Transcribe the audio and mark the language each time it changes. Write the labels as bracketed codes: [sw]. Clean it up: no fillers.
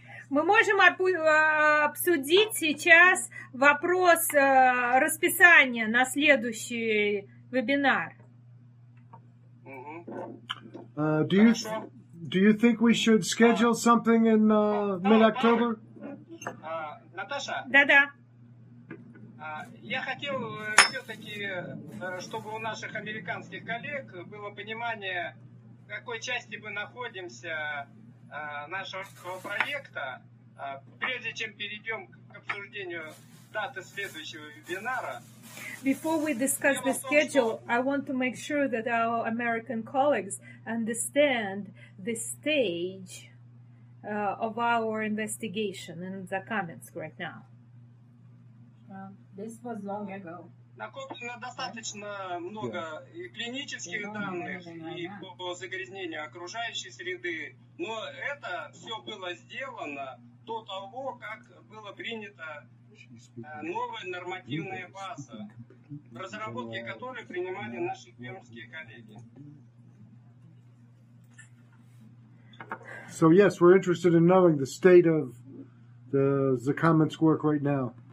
[ru] Мы можем обсудить сейчас вопрос расписания на следующий вебинар. [en] Do you think we should schedule something in mid-October? [ru] Наташа? Да-да. Я хотел все-таки, чтобы у наших американских коллег было понимание, в какой части мы находимся нашего проекта, прежде чем перейдем к обсуждению даты следующего вебинара. [en] Before we discuss the schedule, I want to make sure that our American colleagues understand the stage of our investigation in Закаменск right now. This was long ago. [ru] Накоплено достаточно много и клинических данных, и по загрязнению окружающей среды, но это все было сделано до того, как было принято новая нормативная база, в разработке которой принимали наши пермские коллеги. [en] So yes, we're interested in knowing the state of the Закаменск work right now.